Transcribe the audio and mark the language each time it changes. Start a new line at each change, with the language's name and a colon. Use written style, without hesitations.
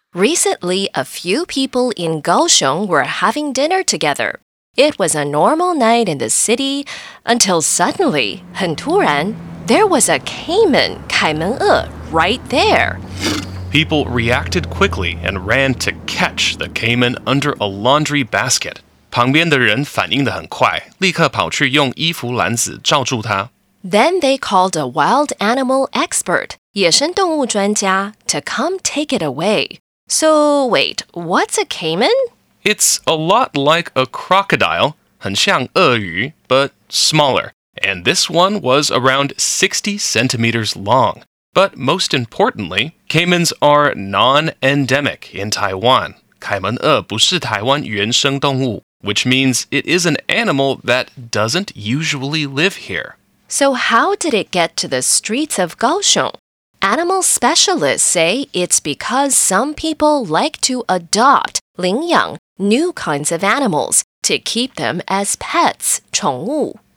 English: Recently, a few people in Kaohsiung were having dinner together. It was a normal night in the city, until suddenly,
Chinese: 很突然,
English: there was a caiman, 凱門鱷, right there. People reacted quickly and ran to catch the caiman under a laundry basket.
Chinese: 旁邊的人反應得很快,立刻跑去用衣服籃子罩住牠。
English: Then they called a wild animal expert,
Chinese: 野生動物專家,
English: to come take it away. So, wait, what's a caiman? It's a lot like a crocodile,
Chinese: 很像鱷魚,
English: but smaller. And this one was around 60 centimeters long. But most importantly, caimans are non-endemic in Taiwan.
Chinese: 凱門鱷不是台灣原生動物,
English: which means it is an animal that doesn't usually live here. So how did it get to the streets of Kaohsiung? Animal specialists say it's because some people like to adopt, 领养, new kinds of animals to keep them as pets, 宠物.